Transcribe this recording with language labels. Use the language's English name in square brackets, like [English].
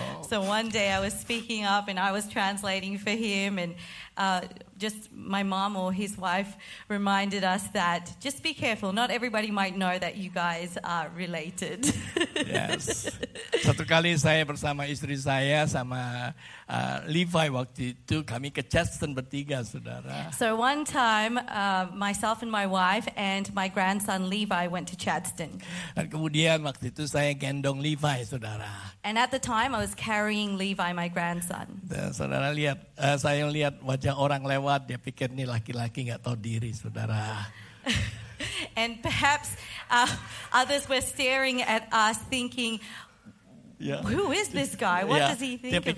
[English] So one day I was speaking up and I was translating for him, and just my mom or his wife reminded us that just be careful, not everybody might know that you guys are related. [Indonesian] Yes. Satu kali saya bersama istri saya sama Levi waktu itu kami ke Chesterton bertiga, saudara. [English] So one time myself and my wife and my grandson Levi went to Chadston. [Indonesian] Dan kemudian waktu itu saya gendong Levi, saudara. [English] And at the time I was carrying Levi, my grandson. [Indonesian] Dan saudara lihat saya lihat wajah orang lewat, dia pikir ini laki-laki enggak tahu diri, saudara. [English] And perhaps others were staring at us thinking, yeah, who is this guy? What, yeah, does he think of himself?